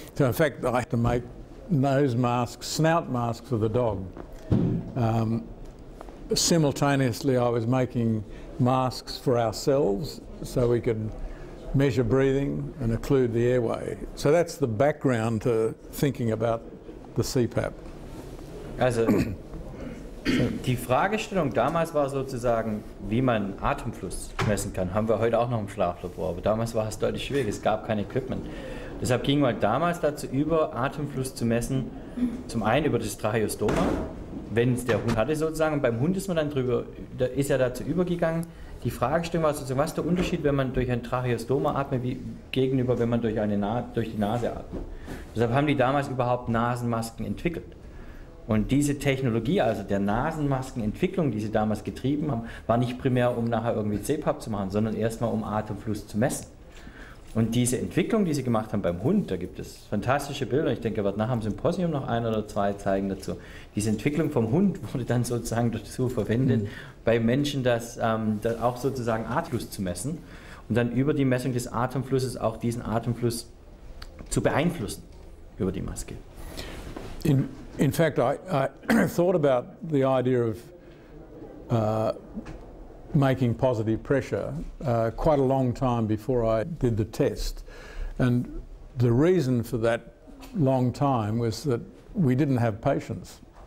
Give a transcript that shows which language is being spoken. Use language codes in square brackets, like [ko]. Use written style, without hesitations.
[en] So in fact, I had to make nose masks, snout masks for the dog. Simultaneously, I was making masks for ourselves so we could measure breathing and occlude the airway. So that's the background to thinking about the CPAP. [de] Also, die Fragestellung damals war sozusagen, wie man Atemfluss messen kann. Haben wir heute auch noch im Schlaflabor, aber damals war es deutlich schwierig, es gab kein Equipment. Deshalb ging man damals dazu über, Atemfluss zu messen, zum einen über das Tracheostoma, wenn es der Hund hatte sozusagen, und beim Hund ist man dann drüber, da ist er dazu übergegangen. Die Fragestellung war sozusagen, was ist der Unterschied, wenn man durch ein Tracheostoma atmet, wie gegenüber, wenn man durch die Nase atmet. Deshalb haben die damals überhaupt Nasenmasken entwickelt. Und diese Technologie, also der Nasenmaskenentwicklung, die sie damals getrieben haben, war nicht primär, um nachher irgendwie CPAP zu machen, sondern erstmal, um Atemfluss zu messen. Und diese Entwicklung, die sie gemacht haben beim Hund, da gibt es fantastische Bilder, ich denke, er wird nachher im Symposium noch ein oder zwei zeigen dazu. Diese Entwicklung vom Hund wurde dann sozusagen dazu verwendet, bei Menschen das auch sozusagen Atemfluss zu messen und dann über die Messung des Atemflusses auch diesen Atemfluss zu beeinflussen über die Maske. [en] In fact, I thought about the idea of making positive pressure quite a long time before I did the test. And the reason for that long time was that we didn't have patients.